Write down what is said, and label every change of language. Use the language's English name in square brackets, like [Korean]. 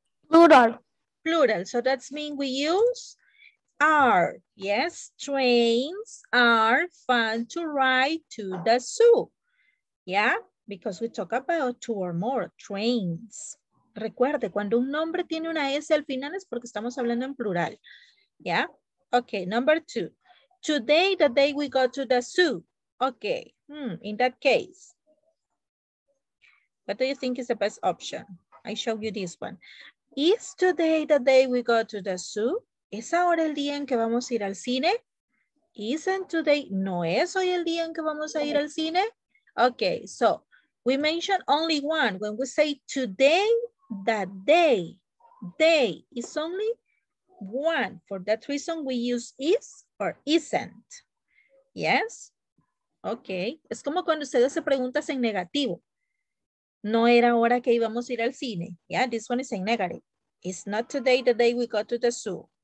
[English] Plural. Plural. So that's mean we use are, yes, trains are fun to ride to the zoo. Yeah, because we talk about two or more trains. [Spanish] Recuerde, cuando un nombre tiene una S al final es porque estamos hablando en plural. [English] Yeah, okay, number two. Today, the day we go to the zoo. Okay, in that case, what do you think is the best option? I show you this one. Is today the day we go to the zoo? [Spanish] ¿Es ahora el día en que vamos a ir al cine? [English] Isn't today, [Spanish] ¿no es hoy el día en que vamos a ir al cine? [English] Okay, so we mention only one. When we say today, that day, day is only one. For that reason, we use is or isn't. Yes? Okay. [Spanish] Es como cuando ustedes se preguntan en negativo. ¿No era hora que íbamos a ir al cine? [English] Yeah, this one is in negative. It's not today the day we go to the zoo.